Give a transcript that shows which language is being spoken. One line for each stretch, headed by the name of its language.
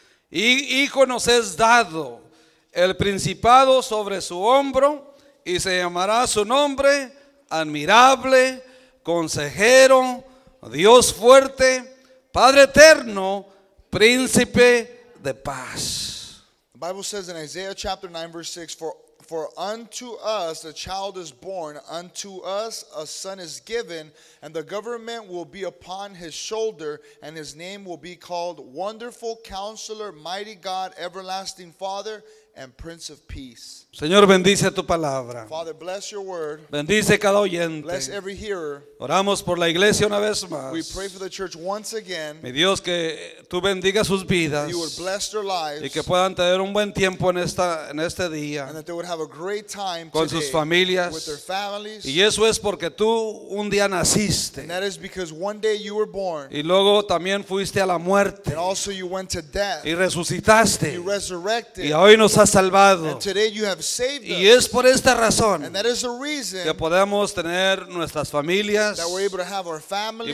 Spanish: Hijo nos es dado, el principado sobre su hombro, y se llamará su nombre, admirable, consejero, Dios fuerte, Padre eterno, príncipe de paz.
English: The Bible says in Isaiah chapter 9 verse 6, for unto us a child is born, unto us a son is given, and the government will be upon his shoulder, and his name will be called Wonderful Counselor, Mighty God, Everlasting Father, and Prince of Peace.
Spanish: Señor, bendice tu palabra.
English: Father, bless your word.
Spanish: Bendice cada oyente.
English: Bless every hearer.
Spanish: Oramos por la iglesia una vez más.
English: We pray for the church once again.
Spanish: Mi Dios, que tú bendigas sus vidas.
English: You would bless their lives.
Spanish: Y que puedan tener un buen tiempo en este día.
English: And that they would have a great time
Spanish: con sus familias.
English: With their families.
Spanish: Y eso es porque tú un día naciste.
English: And that is because one day you were born.
Spanish: Y luego también fuiste a la muerte.
English: And also you went to death.
Spanish: Y resucitaste.
English: You resurrected.
Spanish: Y hoy nos ha salvado.
English: And today you have saved us.
Spanish: Y es por esta razón.
English: And that is the reason.
Spanish: Que podemos tener nuestras familias.
English: That we're able to have our families,